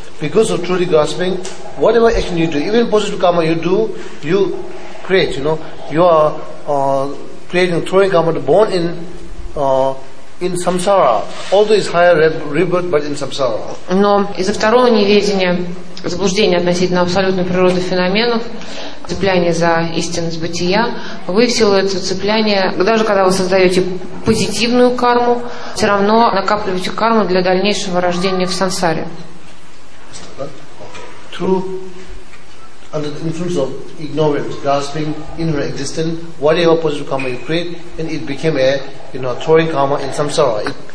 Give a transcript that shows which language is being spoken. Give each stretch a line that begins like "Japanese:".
English: Because of truly grasping, whatever action you do, even positive karma you do, you create, you know, you are creating, throwing karma to born in samsara, although it's higher rebirth, but in samsara.
Russian: Но из-за второго неведения, заблуждения относительно абсолютной природы феноменов, цепляния за истинность бытия, вы в силу этого цепляния, даже когда вы создаете позитивную карму, все равно накапливаете карму для дальнейшего рождения в сансаре.
English: Under the influence of ignorance, grasping, ignorant existence, whatever positive karma you create, and it became a, you know, throwing karma in samsara.